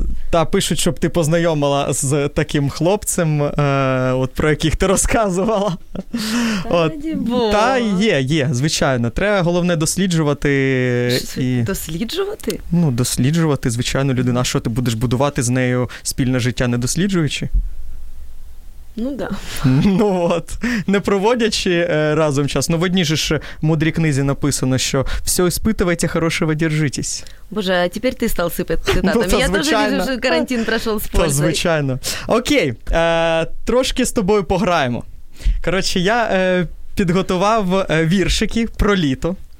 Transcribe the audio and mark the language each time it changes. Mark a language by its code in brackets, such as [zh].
[uk] Та пишуть, щоб ти познайомила з таким хлопцем, от про яких ти розказувала. Та є, звичайно. Треба головне досліджувати. І... Досліджувати? Ну, досліджувати, звичайно, людина. Що ти будеш будувати з нею спільне життя, не досліджуючи? Ну, да. Ну, от, не проводячи разом час. Ну, в одній же ж мудрій книзі написано, що [ru] «все испытывайте, хорошего держитесь». [uk] Боже, а тепер ти став сипати цитатами. Ну, я теж вижу, що карантин пройшов з пользою. Звичайно. Окей, трошки з тобою пограємо. Коротше, я підготував віршики про літо.